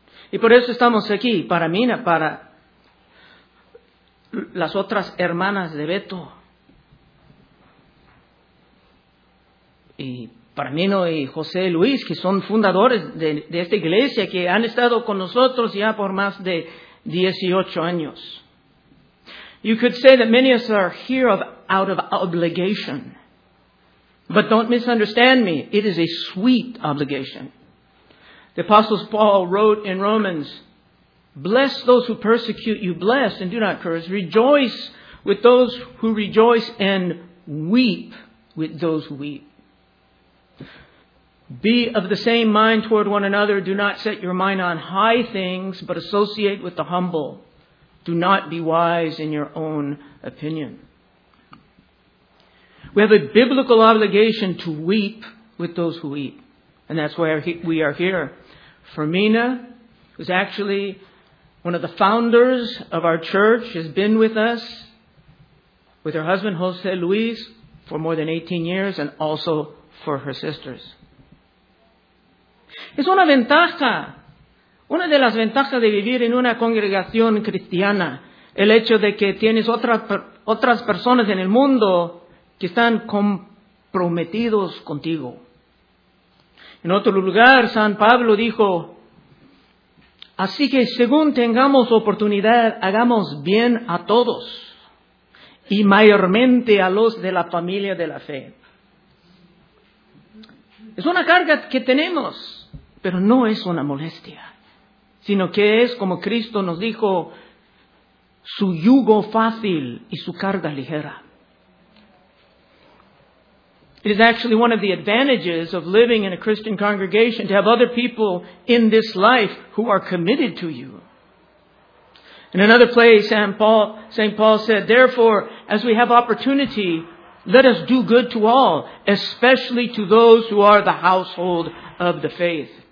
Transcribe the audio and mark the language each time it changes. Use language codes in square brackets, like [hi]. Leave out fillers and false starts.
[es] Y por eso estamos aquí, para Mina, para las otras hermanas de Beto. Y para Mino y José Luis, que son fundadores de esta iglesia, que han estado con nosotros ya por más de 18 años. [en] You could say that many of us are here out of obligation. But don't misunderstand me. It is a sweet obligation. The Apostle Paul wrote in Romans, bless those who persecute you, bless and do not curse. Rejoice with those who rejoice and weep with those who weep. Be of the same mind toward one another. Do not set your mind on high things, but associate with the humble. Do not be wise in your own opinion. We have a biblical obligation to weep with those who weep. And that's why we are here. Fermina, who's actually one of the founders of our church, has been with us, with her husband Jose Luis, for more than 18 years, and also for her sisters. [es] Es una ventaja, una de las ventajas de vivir en una congregación cristiana, el hecho de que tienes otras personas en el mundo que están comprometidos contigo. En otro lugar, San Pablo dijo, así que según tengamos oportunidad, hagamos bien a todos, y mayormente a los de la familia de la fe. Es una carga que tenemos, pero no es una molestia, sino que es, como Cristo nos dijo, su yugo fácil y su carga ligera. [en] It is actually one of the advantages of living in a Christian congregation to have other people in this life who are committed to you. In another place, St. Paul said, therefore, as we have opportunity, let us do good to all, especially to those who are the household of the faith.